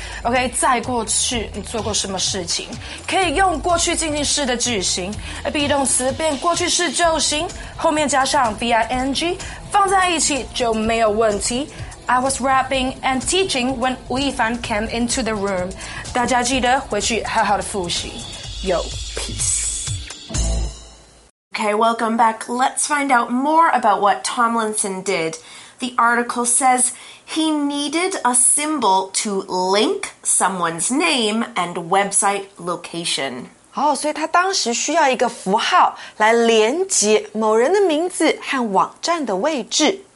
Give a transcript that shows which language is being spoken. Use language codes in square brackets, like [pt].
[zh] OK， 在过去你做过什么事情，可以用过去进行式的句型 ，be 动词变过去式就行，后面加上 ving， 放在一起就没有问题。 [en] I was rapping and teaching when 吴亦凡 came into the room. [zh] 大家记得回去好好的复习。 [en] Yo, peace. Okay, welcome back. Let's find out more about what Tomlinson did. The article says he needed a symbol to link someone's name and website location. [zh] 好，所以他当时需要一个符号来连接某人的名字和网站的位置。